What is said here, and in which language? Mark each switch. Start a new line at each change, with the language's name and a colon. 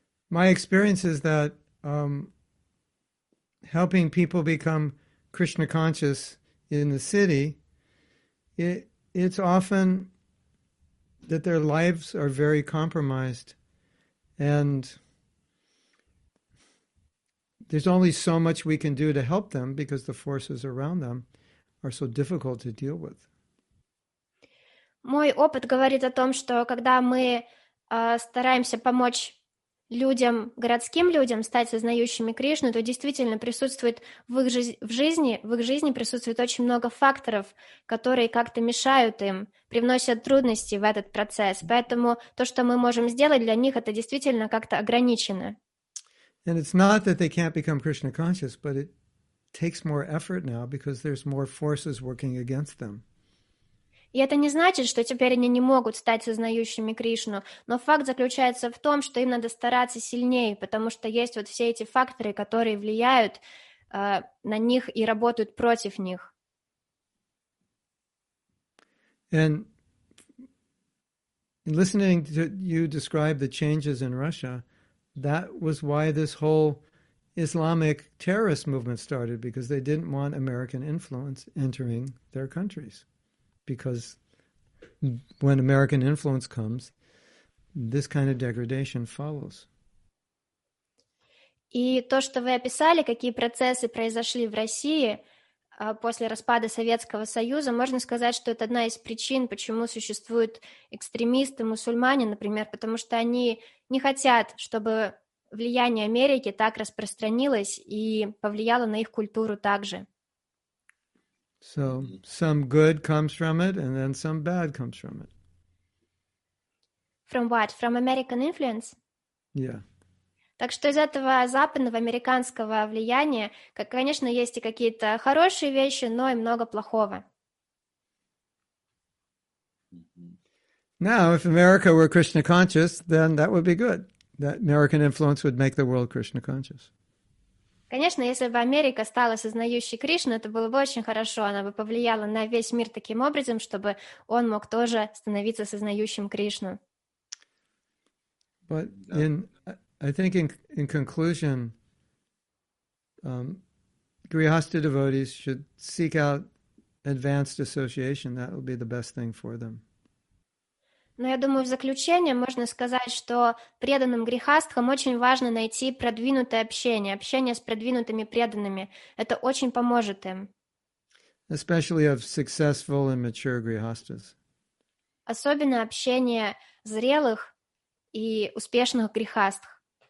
English: My experience is that helping people become Krishna conscious in the city, it's often that their lives are very compromised and there's only so much we can do to help them because the forces around them are so difficult to deal with.
Russian: Мой опыт говорит о том, что когда мы стараемся помочь людям, городским людям, стать сознающими Кришну, то действительно присутствует в их жизни присутствует очень много факторов, которые как-то мешают им, привносят трудности в этот процесс. Поэтому то, что мы можем сделать для них, это действительно как-то ограничено.
English: And it's not that they can't become Krishna conscious, but it takes more effort now because there's more forces working against them.
Russian: И это не значит, что теперь они не могут стать сознающими Кришну, но факт заключается в том, что им надо стараться сильнее, потому что есть вот все эти факторы, которые влияют на них и работают против них.
English: And in listening to you describe the changes in Russia, that was why this whole Islamic terrorist movement started, because they didn't want American influence entering their countries. Because when American influence comes, this kind of degradation follows.
Russian: И то, что вы описали, какие процессы произошли в России после распада Советского Союза, можно сказать, что это одна из причин, почему существуют экстремисты, мусульмане, например, потому что они не хотят, чтобы влияние Америки так распространилось и повлияло на их культуру также.
English: So some good comes from it, and then some bad comes from it. From what? From American influence? Yeah.
Russian: Так что из этого западного американского влияния, как, конечно, есть и какие-то хорошие вещи, но и много плохого.
English: Now, if America were Krishna conscious, then that would be good. That American influence would make the world Krishna conscious.
Russian: Конечно, если бы Америка стала сознающей Кришну, это было бы очень хорошо. Она бы повлияла на весь мир таким образом, чтобы он мог тоже становиться сознающим Кришну.
English: But I think in conclusion, Grihastha devotees should seek out advanced association. That will be the best thing for them.
Russian: Но я думаю, в заключение можно сказать, что преданным грехастхам очень важно найти продвинутое общение, общение с продвинутыми преданными. Это очень поможет им.
English: Especially of successful and mature grihasthas.
Russian: Особенно общение зрелых и успешных грехастх.